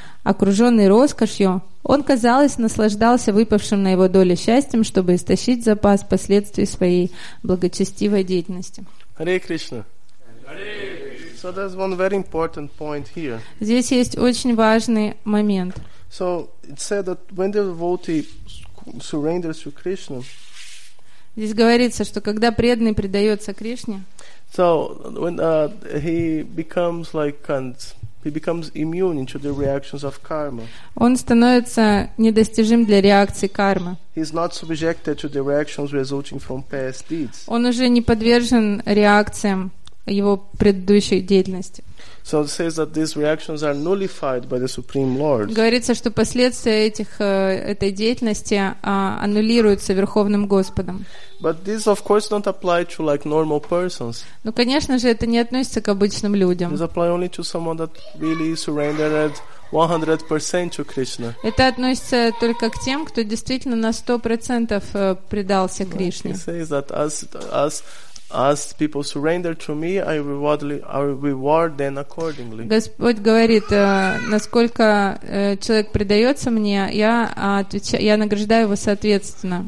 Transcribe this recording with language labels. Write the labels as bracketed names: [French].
[Russian] Окруженный роскошью, он, казалось, наслаждался выпавшим на его долю счастьем, чтобы истощить запас последствий своей благочестивой деятельности». [English] Hare Krishna. So there's one very important point here. [Russian] Здесь есть очень важный момент. [English] So it said that when the devotee surrenders to Krishna. [Russian] Здесь говорится, что когда преданный предается Кришне. [English] So when he becomes like and he becomes immune to the reactions of karma. [Russian] Он становится недостижим для реакции кармы. [English] He's not subjected to the reactions resulting from past deeds. [Russian] Он уже не подвержен реакциям его предыдущей деятельности. [English] So it says that these reactions are nullified by the Supreme Lord. [Russian] Говорится, что последствия этой деятельности аннулируются Верховным Господом. [English] But this, of course, don't apply to like normal persons. [Russian] Ну, конечно же, это не относится к обычным людям. [English] This applies only to someone that really surrendered 100% to Krishna. [Russian] Это относится только к тем, кто действительно на 100% предался Кришне. [English] He says that as people surrender to me, I reward them accordingly. [Russian] Господь говорит, насколько человек предается мне, я награждаю его соответственно.